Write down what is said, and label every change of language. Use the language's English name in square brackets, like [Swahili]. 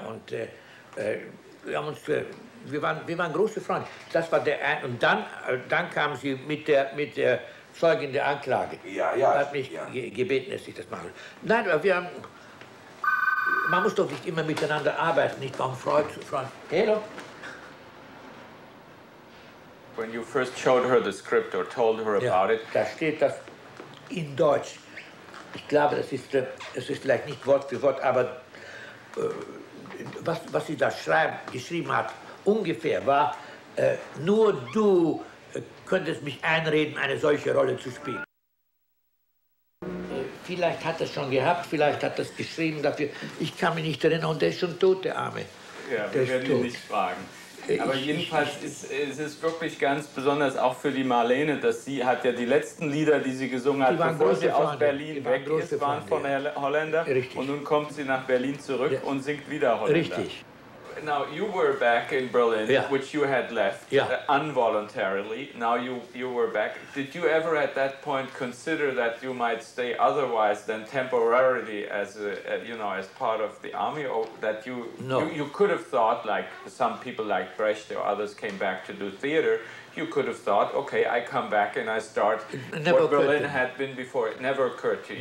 [German] Und wir waren große Freunde. Das war der eine. Und dann kamen sie mit der Zeugin der Anklage. Hat mich gebeten, dass ich das mache. Nein, aber wir haben. Man muss doch nicht immer miteinander arbeiten, nicht von Freund zu Freund. [English] Hello? When you first showed her the script or told her about it. [German] Da steht das in Deutsch. Ich glaube, das ist vielleicht nicht Wort für Wort, aber was sie da geschrieben hat, ungefähr war, nur du könntest mich einreden, eine solche Rolle zu spielen. Vielleicht hat er es schon gehabt, vielleicht hat er es geschrieben dafür. Ich kann mich nicht erinnern, und der ist schon tot, der Arme. Ja, wir werden ihn nicht fragen. Aber jedenfalls ist es wirklich ganz besonders auch für die Marlene, dass sie hat ja die letzten Lieder, die sie gesungen hat, bevor sie aus Berlin weg ist, waren von Holländer. Richtig. Und nun kommt sie nach Berlin zurück und singt wieder Holländer. Richtig. [English] Now, you were back in Berlin, which you had left involuntarily. Now you were back. Did you ever at that point consider that you might stay otherwise than temporarily as part of the army? Or that you could have thought, like some people like Brecht or others came back to do theater, you could have thought, okay, I come back and I start what Berlin had been before. It never occurred to you.